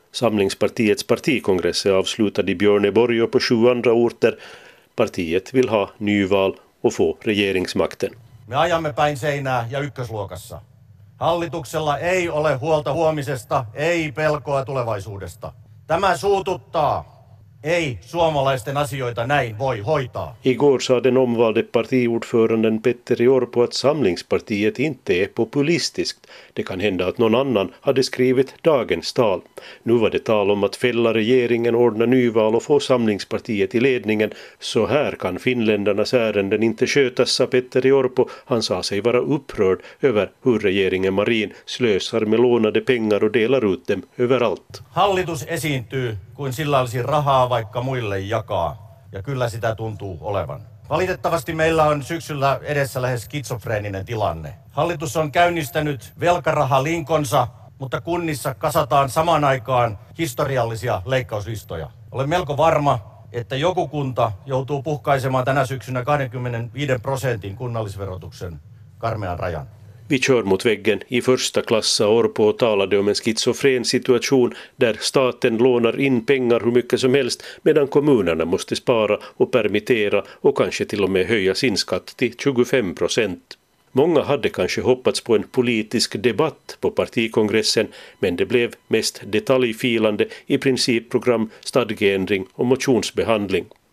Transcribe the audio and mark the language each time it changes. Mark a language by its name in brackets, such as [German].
[Swedish] Samlingspartiets partikongress är avslutad i Björneborg och på 7 andra orter. Partiet vill ha nyval och få regeringsmakten. [Finnish] Me ajamme päin seinää ja ykkösluokassa. Hallituksella ei ole huolta huomisesta, ei pelkoa tulevaisuudesta. Tämä suututtaa. Ei suomalaisten asioita näin voi hoitaa. [Swedish] Igår sa den omvalde partiordföranden Petteri Orpo att Samlingspartiet inte är populistiskt. Det kan hända att någon annan hade skrivit dagens tal. Nu var det tal om att fälla regeringen, ordna nyval och få Samlingspartiet i ledningen. Så här kan finländarnas ärenden inte skötas, sa Petteri Orpo. Han sa sig vara upprörd över hur regeringen Marin slösar med lånade pengar och delar ut dem överallt. [Finnish] Hallitus esiintyy kuin sillä olisi rahaa vaikka muille jakaa. Ja kyllä sitä tuntuu olevan. Valitettavasti meillä on syksyllä edessä lähes skitsofreeninen tilanne. Hallitus on käynnistänyt velkarahalinkonsa, mutta kunnissa kasataan samaan aikaan historiallisia leikkauslistoja. Olen melko varma, että joku kunta joutuu puhkaisemaan tänä syksynä 25% kunnallisverotuksen karmean rajan. [Swedish] Vi kör mot väggen. I första klass sa Orpo och talade om en schizofren situation där staten lånar in pengar hur mycket som helst medan kommunerna måste spara och permittera och kanske till och med höja sin skatt till 25%. Många hade kanske hoppats på en politisk debatt på partikongressen, men det blev mest detaljfilande i principprogram, stadgeändring och motionsbehandling.